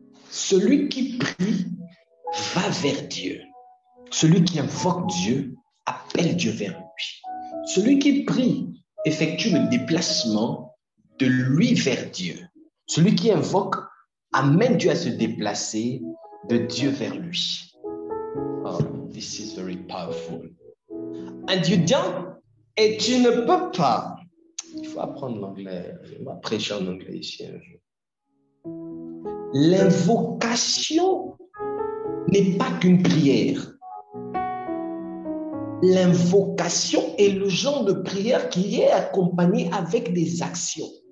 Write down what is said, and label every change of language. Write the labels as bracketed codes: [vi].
[fr] Celui qui prie va vers Dieu. Celui qui invoque Dieu appelle Dieu vers lui. Celui qui prie effectue le déplacement de lui vers Dieu. Celui qui invoque amène Dieu à se déplacer de Dieu vers lui. [en] Oh, this is very powerful. [fr] Un Dieu dit, et tu ne peux pas. [en] Il faut apprendre l'anglais. [fr] Je vais prêcher en anglais ici un jour. L'invocation n'est pas qu'une prière. L'invocation est le genre de prière qui est accompagnée avec des actions.